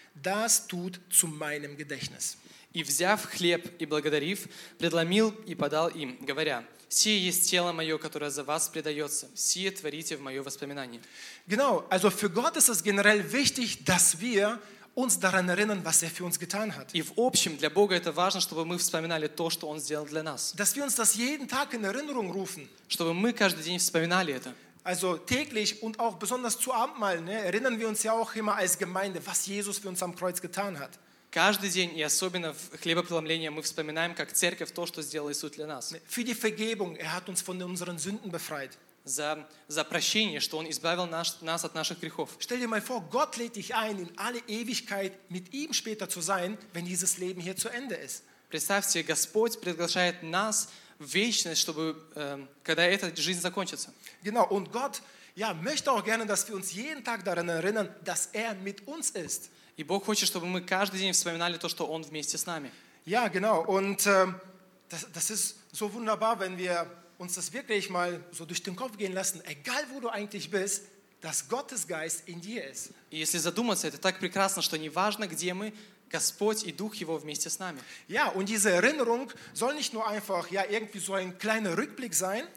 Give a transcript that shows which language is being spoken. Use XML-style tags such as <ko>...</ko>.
<de>Das tut zu meinem Gedächtnis.</de> <ru>И взяв хлеб и благодарив, предломил и подал им, говоря: «Сие есть тело мое, которое за вас предается. Сие творите в мое воспоминание».</ru> <de>Genau, also für Gott ist es generell wichtig, dass wir uns daran erinnern, was er für uns getan hat.</de> <ru>И в общем для Бога это важно, чтобы мы вспоминали то, что он сделал для нас.</ru> <de>Dass wir uns das jeden Tag in Erinnerung rufen.</de> <ru>Чтобы мы каждый день вспоминали это.</ru> <de>Also täglich und auch besonders zu Abendmahl, ne, erinnern wir uns ja auch immer als Gemeinde, was Jesus für uns am Kreuz getan hat.</de> <ru>Каждый день и особенно в хлебопреломлении мы вспоминаем как церковь то, что сделал Иисус для нас.</ru> <de>Für die Vergebung, er hat uns von unseren Sünden befreit.</de> <ru>За прощение, что он избавил нас от наших грехов.</ru> <de>Stell dir mal vor, Gott lädt dich ein, in alle Ewigkeit mit ihm später zu sein, wenn dieses Leben hier zu Ende ist.</de> <ru>Представьте, Господь приглашает нас в вечность, чтобы когда эта жизнь закончится.</ru> <de>Genau, und Gott, ja, möchte auch gerne, dass wir uns jeden Tag daran erinnern, dass er mit uns ist.</de> <ru>И Бог хочет, чтобы мы каждый день вспоминали то, что он вместе с нами.</ru> <de>Ja, genau, und das ist so wunderbar, wenn wir uns das wirklich mal so durch den Kopf gehen lassen, egal wo du eigentlich bist, dass Gottes Geist in dir ist.</de> <ru>И если задуматься, это так прекрасно, что неважно, где мы, Господь и Дух Его вместе с нами.</ru> <de>Ja, und diese Erinnerung soll nicht nur einfach, ja, irgendwie so ein kleiner Rückblick sein.</de>